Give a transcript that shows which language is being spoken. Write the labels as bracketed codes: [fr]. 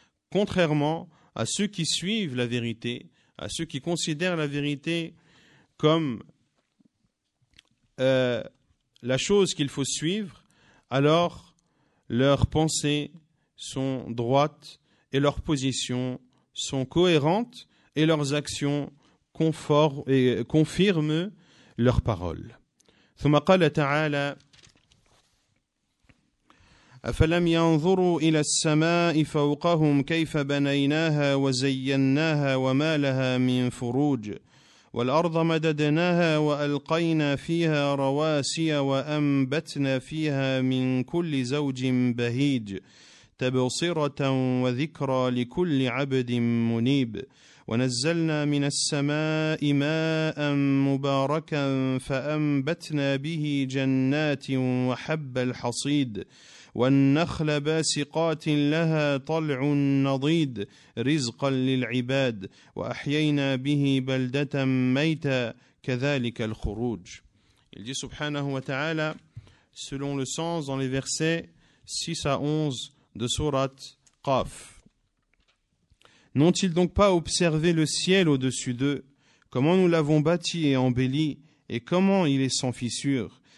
[fr] Contrairement à ceux qui suivent la vérité, à ceux qui considèrent la vérité comme la chose qu'il faut suivre, alors leurs pensées sont droites et leurs positions sont cohérentes et leurs actions confirment leurs paroles. [ar] ثم قال تعالى أفلم ينظروا إلى السماء فوقهم كيف بنيناها وزيناها وما لها من فروج والأرض مددناها وألقينا فيها رواسي وأنبتنا فيها من كل زوج بهيج تبصرة وذكرى لكل عبد منيب ونزلنا من السماء ماء مباركا فأنبتنا به جنات وحب الحصيد والنخل باسقات لها طلع نضيد رزقا للعباد وأحيينا به بلدة ميتا كذلك الخروج. [fr] Il dit [ar] سبحانه وتعالى [fr] selon le sens dans les versets 6 à 11 de sourate Qaf. N'ont-ils donc pas observé le ciel au-dessus d'eux, comment nous l'avons bâti et embelli, et comment il est sans fissure?